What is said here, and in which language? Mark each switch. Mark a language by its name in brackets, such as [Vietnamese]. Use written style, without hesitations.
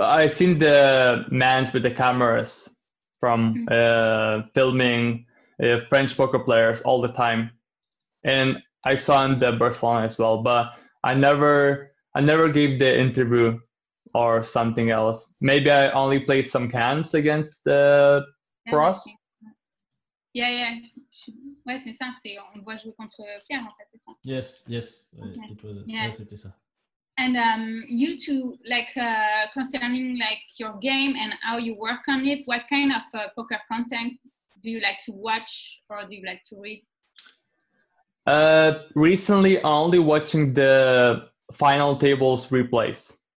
[English] I seen the mans with the cameras from filming French poker players all the time, and I saw in the Barcelona as well. But I never gave the interview or something else. Maybe I only played some cans against the pros. [French] Ouais, c'est ça, on voit jouer contre Pierre, en fait, c'est ça. [English] Yes, okay. It was, yeah. Yes, [French] c'était ça. [English] And you two, like, concerning, like, your game and how you work on it, what kind of poker content do you like to watch or do you like to read? Recently, only watching the final tables replays.